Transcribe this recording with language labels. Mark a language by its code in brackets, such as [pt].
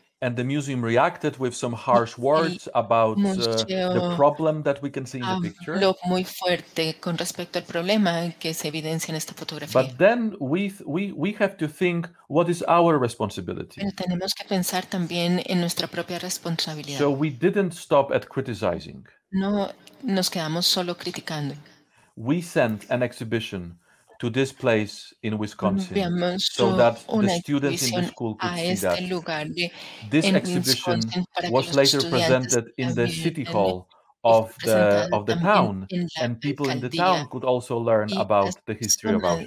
[en] And the museum reacted with some harsh words about the problem that we can see in the picture. [es] Muy fuerte con respecto al problema que se evidencia en esta fotografía. [en] But then we have to think, what is our responsibility? [es] Pero tenemos que pensar también en nuestra propia responsabilidad. [en] So we didn't stop at criticizing. [es] No nos quedamos solo criticando. [en] We sent an exhibition to this place in Wisconsin, so that the students in the school could see that. This exhibition was later presented in the city hall of the town, and people in the town could also learn about the history of